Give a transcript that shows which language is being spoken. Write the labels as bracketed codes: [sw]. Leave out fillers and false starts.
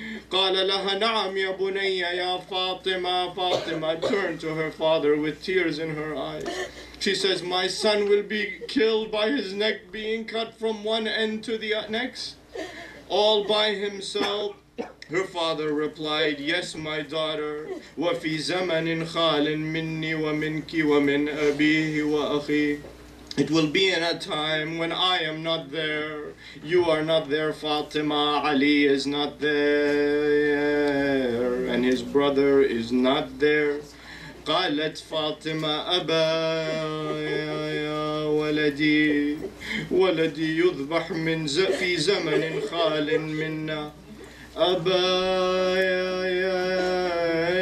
[ar] قال لها نعم يا بني يا فاطمة. [en] Fatima turned to her father with tears in her eyes. She says, my son will be killed by his neck being cut from one end to the next, all by himself. Her father replied, yes, my daughter. [ar] وفي زمن خال مني ومنك ومن أبيه وأخي. [en] It will be in a time when I am not there, you are not there, Fatima, Ali is not there, and his brother is not there. [ar] قالت فاطمة أبا يا ولدي ولدي يذبح من في زمن خال منا أبا يا